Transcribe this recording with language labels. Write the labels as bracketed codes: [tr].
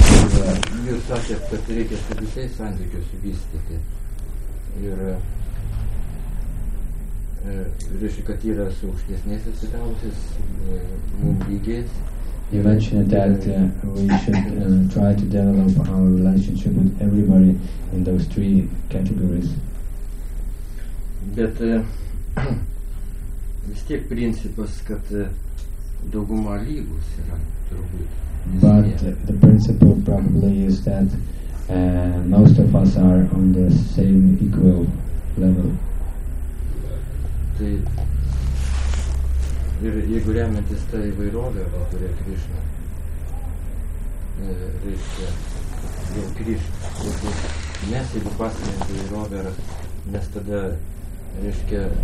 [lt] Jūs sakėt, kad reikia su visais santykius vystyti. Ir reiškia, kad yra su aukštesnės atsidavusiais lygiais. [en] You mentioned that we should try to develop our relationship with everybody in those three categories. [lt] Bet vis tiek principas, kad dauguma lygus yra, turbūt. [en] But the principle probably is that most of us are on the same equal level. [lt] Tai ir jeigu remiantis tą įvairovę, va, kurią Krišna reiškia, jau Krišna, mes jeigu pasirinkti įvairovę, mes tada, reiškia,